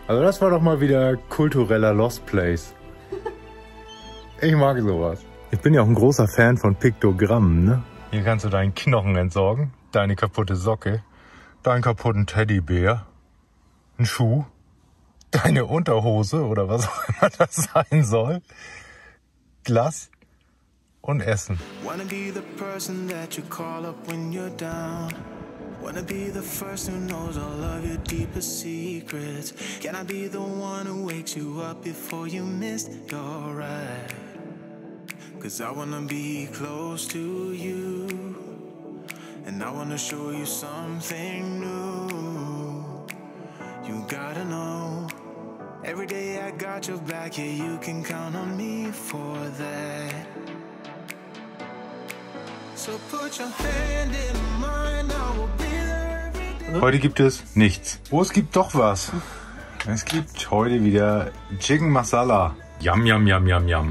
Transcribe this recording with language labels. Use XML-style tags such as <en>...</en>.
<de>Also das war doch mal wieder kultureller Lost Place. Ich mag sowas. Ich bin ja auch ein großer Fan von Piktogrammen, ne? Hier kannst du deinen Knochen entsorgen, deine kaputte Socke, deinen kaputten Teddybär, einen Schuh, deine Unterhose oder was auch immer das sein soll, Glas und Essen.</de> <en>Wanna be the person that you call up when you're down. Wanna be the first who knows all of your deepest secrets. Can I be the one who wakes you up before you miss your ride? Cause I wanna be close to you. And I wanna show you something new. You gotta know. Every day I got your back, yeah, you can count on me for that. So put your hand in mine, I will be there.</en> <de>Heute gibt es nichts. Oh, es gibt doch was. Es gibt heute wieder Chicken Masala. Yum, yum, yum, yum, yum.</de>